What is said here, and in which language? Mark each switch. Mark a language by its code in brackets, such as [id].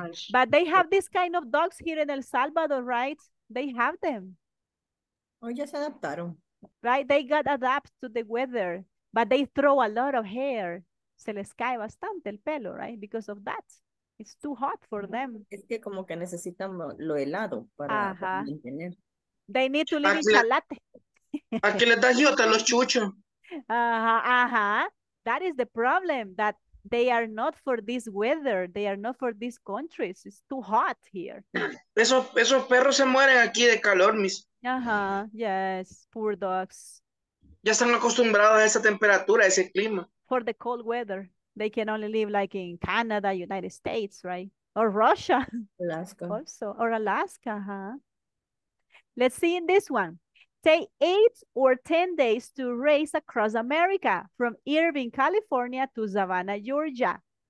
[en] But they have this kind of dogs here in El Salvador, right? They have them. [es] Oh, ya se adaptaron. [en] Right? They got adapted to the weather, but they throw a lot of hair. [es] Se les cae bastante el pelo, [en] right? Because of that. It's too hot for them. [es] Es que como que necesitan lo helado para mantener. [en] They need to live in chalate. [es] Aquí les da giota los chuchos. [en] That is the problem, that they are not for this weather. They are not for these countries. It's too hot here. [es] Esos perros se mueren aquí de calor, mis. [en] Yes, poor dogs. [es] Ya están acostumbrados a esa temperatura, a ese clima. [en] For the cold weather. They can only live like in Canada, United States, right? Or Russia. Alaska. Also. Or Alaska, huh? Let's see in this one. Take 8 or 10 days to race across America from Irvine, California to Savannah, Georgia.